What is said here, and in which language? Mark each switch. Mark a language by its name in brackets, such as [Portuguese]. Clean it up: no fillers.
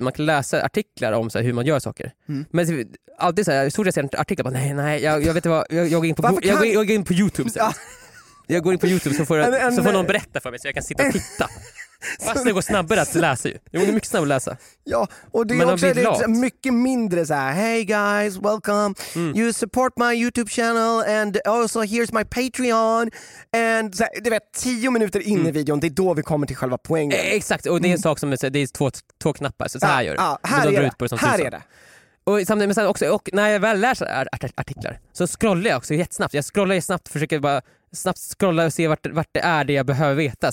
[Swedish] Man kan läsa artiklar om så här, hur man gör saker. Mm. Men alltid så här, jag såg att jag ser en artikel. Jag bara, nej, jag vet inte vad. Jag går in på YouTube. Ja. Jag går in på YouTube så får, jag, så får någon berätta för mig så jag kan sitta och titta. Fast det går snabbare att läsa ju. Jo, det är mycket snabbare att läsa. Ja, och det är men också det är mycket mindre så här: [English] hey guys, welcome. You support my YouTube channel and also here's my Patreon. [Swedish] And så här, det var 10 minuter in i videon, det är då vi kommer till själva poängen. Exakt, och det är en sak som det är två knappar, så här gör det. Här är det, här är det. Och samtidigt, men också, och när jag väl läser artiklar så scrollar jag också jättesnabbt. Jag scrollar snabbt, försöker bara snabbt scrolla och se vart det är det jag behöver veta.